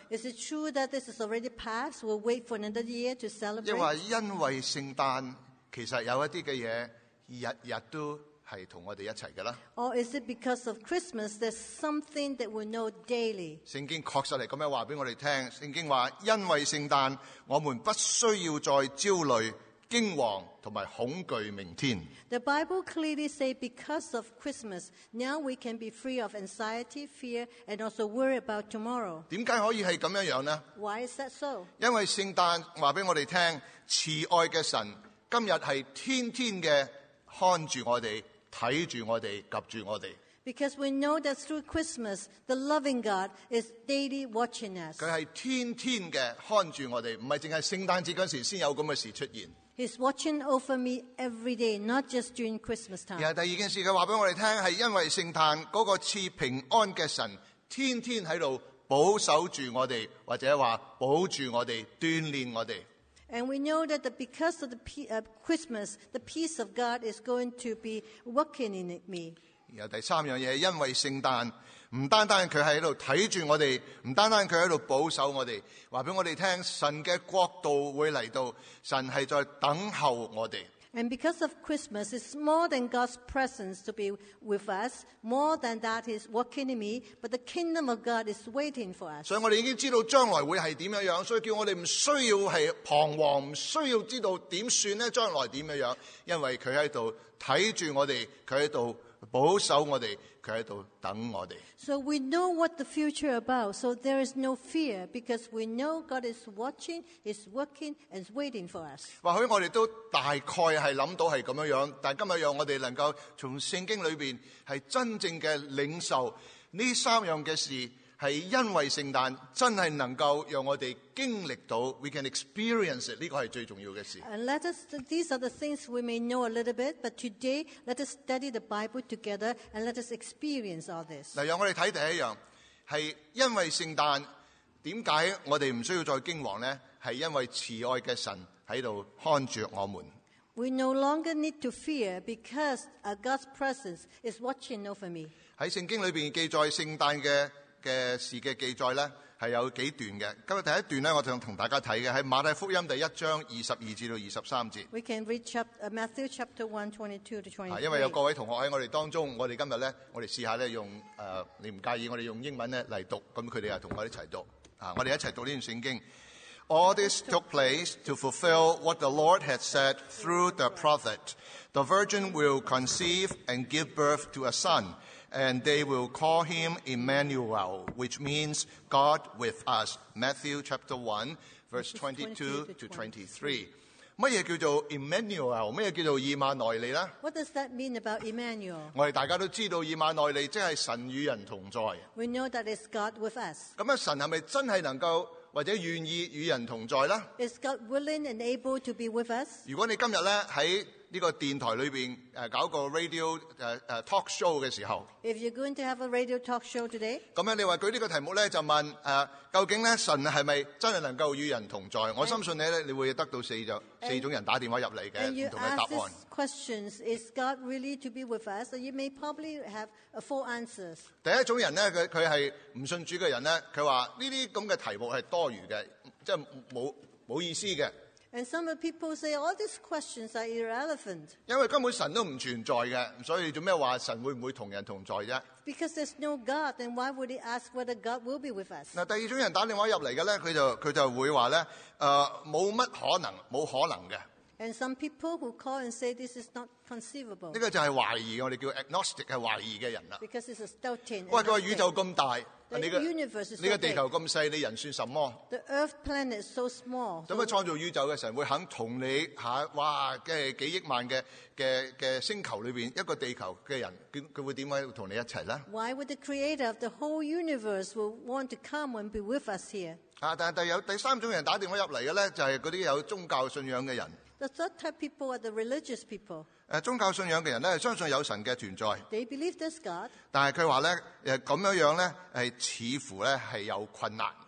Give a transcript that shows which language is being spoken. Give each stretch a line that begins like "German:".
English: Is it true that this is already passed? We'll wait for another year to celebrate?
Cantonese: 因为因为圣诞其实有一些的事日日都是跟我们一起的啦。
English: Or is it because of Christmas, there's something that we know daily?
Cantonese: 圣经确实是这样告诉我们，圣经说因为圣诞我们不需要再焦虑惊惶和恐惧明天。
English: The Bible clearly says because of Christmas, now we can be free of anxiety, fear, and also worry about tomorrow.
Cantonese: 为什么可以是这样呢？
English: Why is that so?
Cantonese: 因为圣诞告诉我们，慈爱的神今天是天天的看着我们，看着我们，及着我们。
English: Because we know that through Christmas, the loving God is daily watching us.
Cantonese: 他是天天的看着我们，不是只是圣诞节的时候才有这样的事出现。
English: He's watching over me every day, not just during Christmas time.
Cantonese: 而第二件事他告诉我们，是因为圣诞那个赐平安的神天天在这里保守着我们，或者说保住我们，锻炼我们。
English: And we know that because of the Christmas, the peace of God is going to be working in me.
Cantonese: 然后第三样东西，因为圣诞不单单他在这里看着我们，不单单他在这里保守我们，告诉我们神的国度会来到，神是在等候我们。
English: And because of Christmas, it's more than God's presence to be with us. More than that, He's working in me, but the kingdom of God is waiting for us.
Cantonese: 所以我们已经知道将来会是怎么样，所以叫我们不需要是彷徨，不需要知道怎么算呢，将来怎么样，因为他在这里看着我们，他在这里保守我们，他在这里等我们。
English: So we know what the future is about, so there is no fear, because we know God is watching, is working, and is waiting for us.
Cantonese: 或许我们都大概是想到是这样，但今天让我们能够从圣经里面是真正的领受这三样的事，是因为圣诞真的能够让我们经历到
English: we can experience it,
Cantonese: 这个是最重要的事。
English: And let us, these are the things we may know a little bit, but today, let us study the Bible together and let us experience all this.
Cantonese: 让我们看第一样，是因为圣诞为什么我们不需要再惊惶呢？是因为慈爱的神在这里看着我们。
English: We no longer need to fear because God's presence is watching over me.
Cantonese: 在圣经里面记载圣诞的事的记载是有几段的。今天第一段我想跟大家看的是马太福音第一章22-23节。
English: We can read Matthew chapter 1, 22 to 23.
Cantonese: 因为有各位同学在我们当中，我们今天呢，我们试一下用你不介意我们用英文来读，他们又跟我一起读。我们一起读这段圣经。
English: All this took place to fulfill what the Lord had said through the prophet. The virgin will conceive and give birth to a son. And they will call him Emmanuel, which means God with us. Matthew chapter 1, verse 22 to 23.
Cantonese: 什么叫做 Emmanuel? 什么叫做以马内利呢？
English: What does that mean about Emmanuel?
Cantonese: 我们大家都知道以马内利即是神与人同在。
English: We know that it's God with us.
Cantonese: 那么神是不是真的能够或者愿意与人同在呢？
English: Is God willing and able to be with us?
Cantonese: 如果你今天呢，在这个电台里面搞个
English: radio talk show
Cantonese: 的时候，
English: If you're going to have a radio talk show today，
Cantonese: 这样你说举这个题目呢，就问究竟呢神是不是真的能够与人同在？
English: And,
Cantonese: 我深信 你会得到四种人打电话入来的不同的答案。
English: And you ask questions, is God really to be with us? So you may probably have four answers.
Cantonese: 第一种人呢， 他是不信主的人呢，他说这些这样的题目是多余的，就是没意思的。
English: And some of people say all these questions are irrelevant.
Cantonese: 因为根本神都不存在的，所以做咩话神会不会同人同在啫？
English: Because there's no God, then why would he ask whether God will be with us?
Cantonese: 第二种人打电话入嚟嘅咧，佢就会话咧，冇乜可能，冇可能嘅。
English: And some people who call and say this is not conceivable.
Cantonese: 呢个就系怀疑，我哋叫 agnostic 系怀疑嘅人啦。
English: Because it's a doubting.
Cantonese: 喂，佢话宇宙咁大。你个地球咁细，你人算什么？
English: The Earth planet is so small.
Cantonese: 咁样创造宇宙嘅神会肯同你吓，哇，即系几亿万嘅星球里边一个地球嘅人，佢会点解同你一齐咧？
English: Why would the creator of the whole universe will want to come and be with us here？
Cantonese: 啊，但系有第三种人打电话入嚟嘅咧，就系嗰啲有宗教信仰嘅人。
English: The third type of people are the religious people.
Cantonese: 宗教信仰的人呢，相信有神的存在。
English: They believe there's God.
Cantonese: 但是他说呢，这样呢，似乎呢，是有困难。